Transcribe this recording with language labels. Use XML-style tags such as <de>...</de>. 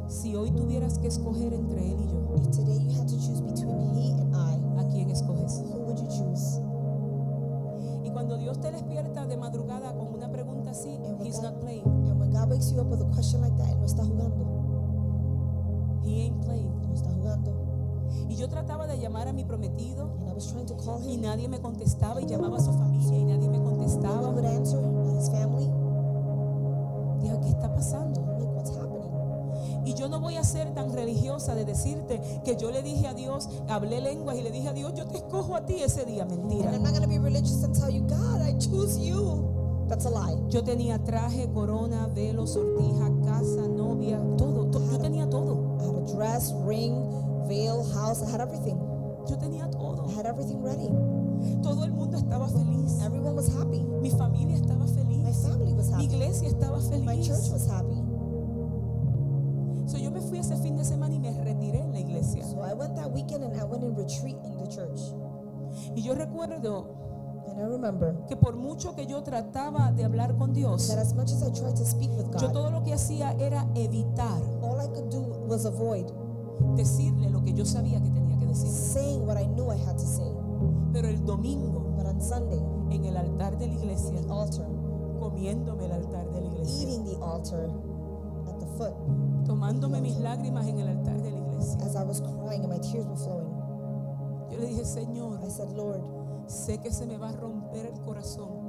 <es>Si hoy tuvieras que escoger entre él y yo.</es> <en>If today you had to choose between he and I.</en> <es>¿A quién escoges?</es> <en>Who would you choose?</en> <es>Y cuando Dios te despierta de madrugada con una pregunta así,</es> <en>he's not playing. And when God wakes you up with a question like that,</en> <es>él no está jugando.</es> <en>He ain't playing.</en> <es>No está jugando. Y yo trataba de llamar a mi prometido.</es> <en>And I was trying to call him.</en> <es>Y nadie me contestaba y llamaba a su familia y nadie me contestaba.</es> <en>No one would answer, not his family.</en> <es>Dijo, ¿qué está pasando?</es> <en>Like, what's happening?</en> <es>Y yo no voy a ser tan religiosa de decirte que yo le dije a Dios, hablé lenguas y le dije a Dios, yo te escojo a ti ese día. Mentira.</es> <en>And I'm not going to be religious and tell you, God, I choose you. That's a lie.</en> <es>Yo tenía traje, corona, velo, sortija, casa, novia, todo. Yo tenía todo.</es> <en>I had a dress, ring, veil, house. I had everything.</en> <es>Yo tenía todo.</es> <en>I had everything ready.</en> <es>Todo el mundo estaba feliz.</es> <en>Everyone was happy.</en> <es>Mi familia estaba feliz.</es> <en>My family was happy.</en> <es>Mi iglesia estaba feliz.</es> <en>My church was happy.</en> <es>So yo me fui ese fin de semana y me retiré en la iglesia.</es> <en>So I went that weekend and I went in retreat in the church.</en> <es>Y yo recuerdo.</es> <en>And I remember</en> <es>que por mucho que yo trataba de hablar con Dios,</es> <en>that as much as I tried to speak with God,</en> <es>yo todo lo que hacía era evitar.</es> <en>All I could do was avoid</en> <es>decirle lo que yo sabía que tenía que decir.</es> <en>Saying what I knew I had to say.</en> <es>Pero el domingo,</es> <en>but on Sunday,</en> <es>en el altar de la iglesia,</es> <en>in the altar,</en> <es>comiéndome el altar de la iglesia,</es> <en>eating the altar at the foot,</en> <es>tomándome mis lágrimas en el altar de la iglesia,</es> <en>as I was crying and my tears were flowing,</en> <es>yo le dije, Señor,</es> <en>I said, Lord,</en> <es>sé que se me va a romper el corazón.</es>